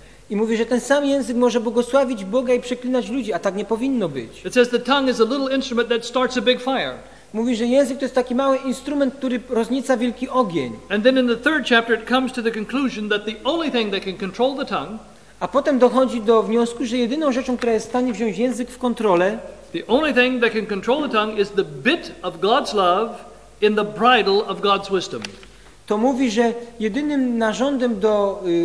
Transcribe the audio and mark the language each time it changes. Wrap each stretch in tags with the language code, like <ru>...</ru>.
<pl>I mówi, że ten sam język może błogosławić Boga i przeklinać ludzi, a tak nie powinno być.</pl> <en>It says the tongue is a little instrument that starts a big fire.</en> <pl>Mówi, że język to jest taki mały instrument, który roznieca wielki ogień.</pl> <en>And then in the third chapter it comes to the conclusion that the only thing that can control the tongue.</en> <pl>A potem dochodzi do wniosku, że jedyną rzeczą, która jest w stanie wziąć język w kontrolę,</pl> <en>the only thing that can control the tongue is the bit of God's love in the bridle of God's wisdom.</en> <pl>To mówi, że jedynym narządem do</pl>